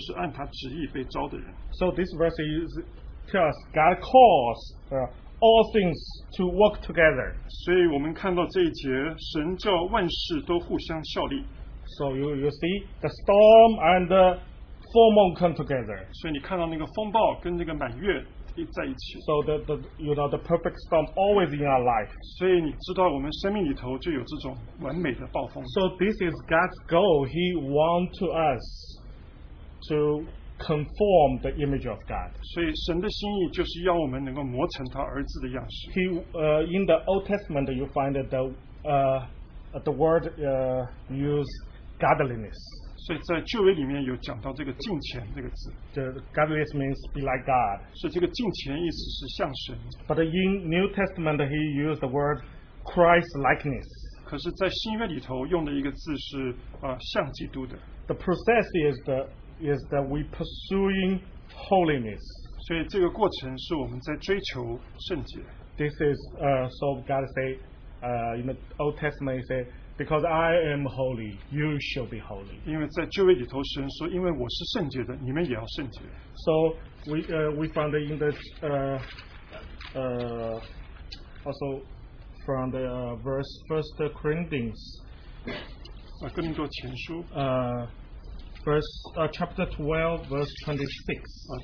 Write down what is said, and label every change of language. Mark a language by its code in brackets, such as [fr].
[zh] 我们晓得万事都互相效力，叫爱神的人得益处，就是按他旨意被招的人。 [en] So this verse is tell us God calls all things to work together. [zh] 所以我们看到这一节，神叫万事都互相效力。 [en] So you see the storm and the full moon come together. [zh] 所以你看到那个风暴跟那个满月。 [en] So the you know the perfect storm always in our life. [zh] 所以你知道我们生命里头就有这种完美的暴风. [en] So this is God's goal. He wants us to conform the image of God. [zh] 所以神的心意就是要我们能够磨成他儿子的样式. [en] He in the Old Testament you find that the word use godliness. [zh] 所以在旧约里面有讲到这个敬虔这个字。 [en] The godliness means be like God. [zh] 所以这个敬虔意思是像神。 [en] But in New Testament he used the word Christ-likeness. [zh] 可是在新约里头用的一个字是 像基督的。 [en] The process is that we pursuing holiness. [zh] 所以这个过程是我们在追求圣洁。 [en] This is so God say in the Old Testament he say Because I am holy, you shall be holy. [zh] 因为在旧约里头神说，因为我是圣洁的，你们也要圣洁。 [en] So we found in the also from the verse First Corinthians. [zh] 哥林多前书。 [en] Verse chapter 12 verse 26.